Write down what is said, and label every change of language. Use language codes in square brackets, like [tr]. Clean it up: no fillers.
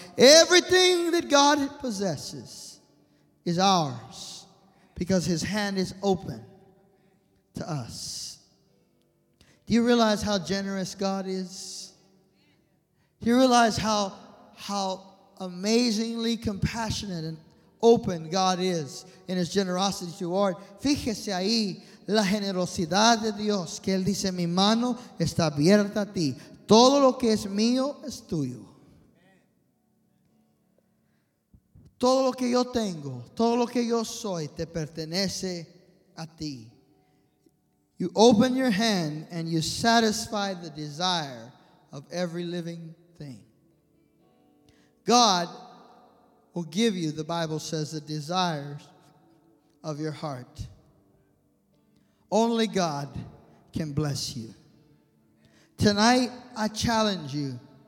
[en] Everything that God possesses is ours because His hand is open to us. Do you realize how generous God is? Do you realize how amazingly compassionate and open God is in His generosity toward. [es] Fíjese ahí la generosidad de Dios, que Él dice, mi mano está abierta a ti. Todo lo que es mío es tuyo. Todo lo que yo tengo, todo lo que yo soy, te pertenece a ti. [en] You open your hand and you satisfy the desire of every living thing. God will give you, the Bible says, the desires of your heart. Only God can bless you. Tonight, I challenge you.